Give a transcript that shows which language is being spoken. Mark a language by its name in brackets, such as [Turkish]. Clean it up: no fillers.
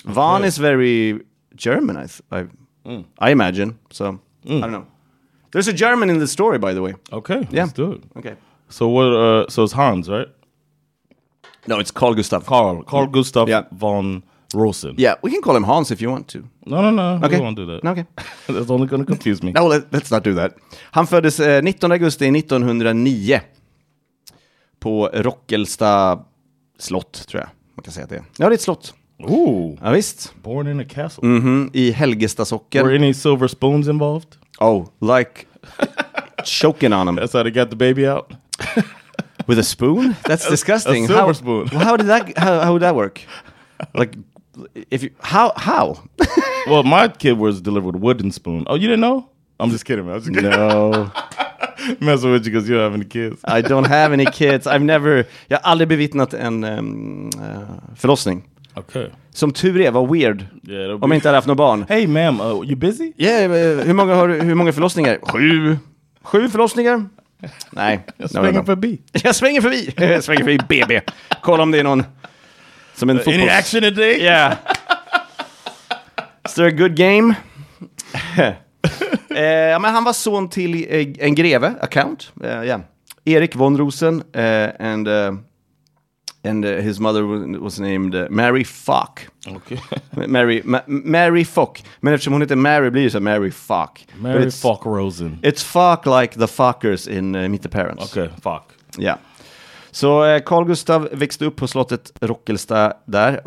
[English] Von is very German, I imagine. So, I don't know. There's a German in the story, by the way. Okay, yeah. Let's do it. Okay. So what? So it's Hans, right? No, it's Carl Gustav. Carl Gustav von Rosen. Yeah, we can call him Hans if you want to. No. Okay. We won't do that. Okay. That's only going to confuse me. No, let's not do that. [Swedish] Han föddes 19 augusti 1909 på Rockelsta slott, tror jag. Man kan säga det. Ja, det är ett slott. Ooh. Ja, visst. [English] Born in a castle. [Swedish] Mm-hmm. I Helgesta socken. [English] Were any silver spoons involved? Oh, like choking on him. That's how they got the baby out. With a spoon? That's disgusting. A silver spoon. How would that work? Like, how? Well, my kid was delivered with a wooden spoon. Oh, you didn't know? I'm just kidding. No. Messing with you because you don't have any kids. I don't have any kids. [Swedish] Jag har aldrig bevittnat en förlossning. [English] Okay. [Swedish] Som tur är, vad weird. [English] Yeah, [Swedish] om jag inte hade haft några barn. [English] Hey, ma'am, you busy? [Swedish] Yeah, hur många förlossningar? Sju förlossningar? Nej. Jag svänger förbi. Jag svänger förbi BB. Kolla om det är någon som en fotboll. [English] Any action today? Yeah. Is there a good game? men han var son till en greve, a count. Erik von Rosen and his mother was named Mary Fock. Okay. [Swedish] Mary Fock. Men eftersom hon heter Mary blir det så Mary Fock. Mary Fock Rosen. [English] It's Fock like the fuckers in Meet the Parents. Okay, Fock. [Swedish] Ja. Så Carl Gustav växte upp på slottet Rockelsta där.